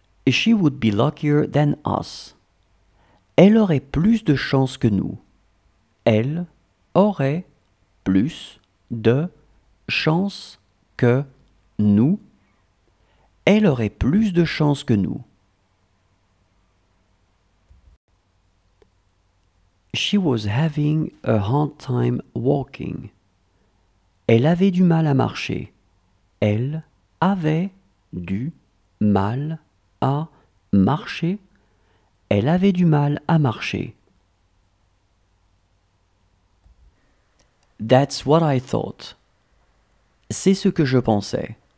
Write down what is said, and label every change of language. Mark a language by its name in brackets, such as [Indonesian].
[English] She would be luckier than us. [French] Elle aurait plus de chance que nous. Elle aurait plus de chance que nous. Elle aurait plus de chance que nous. [English] She was having a hard time walking. [French] Elle avait du mal à marcher. Elle avait du mal à marcher. Elle avait du mal à marcher. [English] That's what I thought. [French] C'est ce que je pensais.